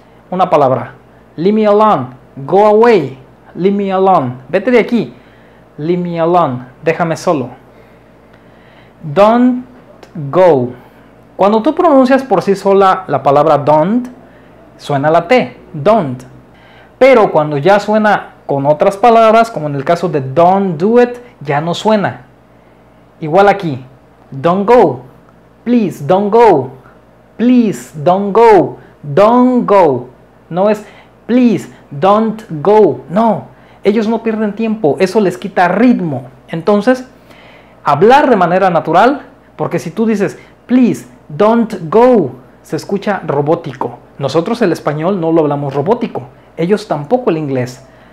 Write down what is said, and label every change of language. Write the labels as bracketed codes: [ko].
[es] Una palabra, [en] leave me alone, go away, leave me alone. [es] Vete de aquí, [en] leave me alone, [es] déjame solo. [en] Don't go. [es] Cuando tú pronuncias por sí sola la palabra don't, suena la T, don't. Pero cuando ya suena con otras palabras, como en el caso de [en] don't do it, [es] ya no suena. Igual aquí, [en] don't go, please don't go, please don't go, don't go. [es] No es [en] please don't go, [es] no. Ellos no pierden tiempo, eso les quita ritmo. Entonces, hablar de manera natural. Porque si tú dices, [en] please, don't go, [es] se escucha robótico. Nosotros el español no lo hablamos robótico. Ellos tampoco el inglés.